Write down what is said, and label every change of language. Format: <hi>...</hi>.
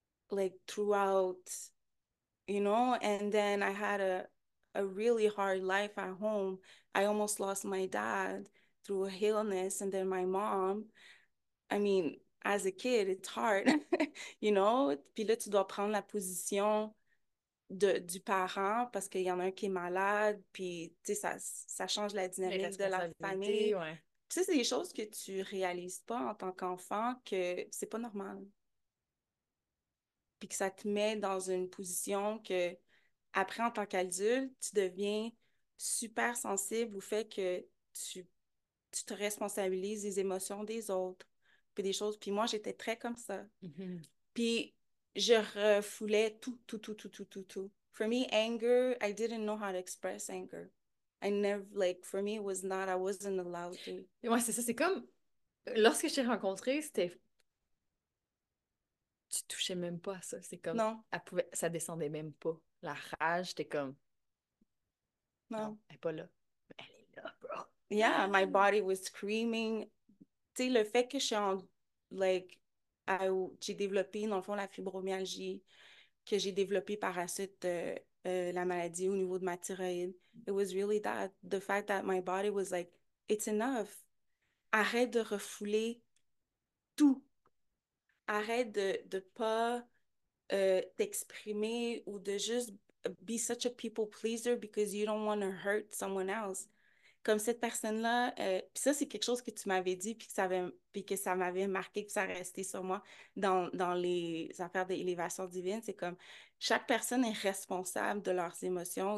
<en>Like, throughout. You know, and then I had a really hard life at home. I almost lost my dad through a illness, and then my mom. I mean, as a kid, it's hard, you know.</en> <fr>Puis là, tu dois prendre la position du parent parce qu'il y en a un qui est malade, puis tu sais, ça change la Les dynamique de la responsabilités, famille. ouais. Tu sais, c'est des choses que tu réalises pas en tant qu'enfant que c'est pas normal. Puis que ça te met dans une position que, après, en tant qu'adulte, tu deviens super sensible au fait que tu te responsabilises des émotions des autres. Puis des choses. Puis moi, j'étais très comme ça. Puis je refoulais tout, tout, tout, tout, tout, tout, tout.</fr> <en>For me, anger, I didn't know how to express anger. I never, like, for me, it was not, I wasn't allowed to.</en> <fr>Ouais, c'est ça, c'est comme lorsque je t'ai rencontré, c'était. Tu touchais même pas à ça. C'est comme. Non. Elle pouvait... Ça descendait même pas. La rage, c'était comme. Non, Non. elle est pas là. Mais elle est là, bro.</fr> <en>Yeah, my body was screaming.</en> <fr>Tu sais, le fait que je suis en, like, j'ai développé, dans le fond, la fibromyalgie, que j'ai développé par la suite la maladie au niveau de ma thyroïde.</fr> <en>It was really that. The fact that my body was like, it's enough.</en> <fr>Arrête de refouler tout. Arrête de pas. T'exprimer ou de juste</fr> <en>be such a people pleaser because you don't want to hurt someone else.</en> <fr>Comme cette personne-là, puis ça, c'est quelque chose que tu m'avais dit puis que ça m'avait marqué, puis ça restait sur moi dans les affaires d'élévation divine. C'est comme chaque personne est responsable de leurs émotions.</fr>